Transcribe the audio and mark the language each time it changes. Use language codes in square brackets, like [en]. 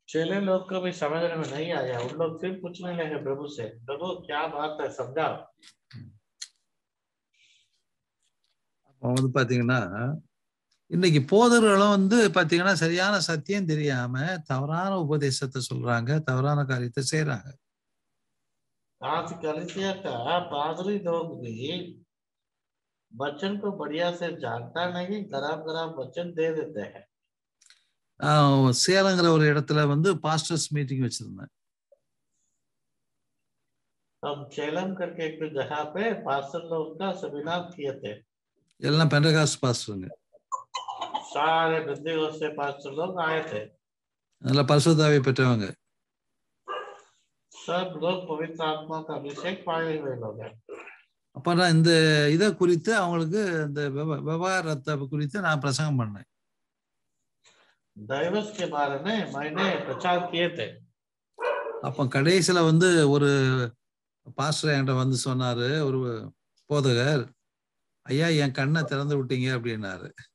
[ta] அப்போ வந்து பாத்தீங்கன்னா இன்னைக்கு போதர்களும் வந்து பாத்தீங்கன்னா சரியான சத்தியம் தெரியாம தவறான உபதேசத்தை சொல்றாங்க, தவறான காரியத்தை செய்யறாங்க. [hi] आज कलिसियाका पादरी लोग भी वचन को बढ़िया से जानता नहीं, खराब खराब वचन दे देते हैं। [ta] சேலங்கிற ஒரு இடத்துல வந்து பாஸ்டர்ஸ் மீட்டிங் வச்சிருந்தேன். [hi] हम சேலம் करके एक जगह पे पास्टर लोग का सेमिनार किए थे। [ta] எல்லாம் பெந்தகாஸ்ட் பாஸ்டர்ங்க. [hi] सारे பெந்தகாஸ்ட் பாஸ்டர் लोग आए थे। [ta] நல்ல பரிசுத்தாவியை பெற்றவங்க. கடைசியில வந்து ஒரு பாஸ்டர் என்கிட்ட வந்து சொன்னாரு, ஒரு போதகர், ஐயா என் கண்ணை திறந்து விட்டீங்க அப்படின்னாரு.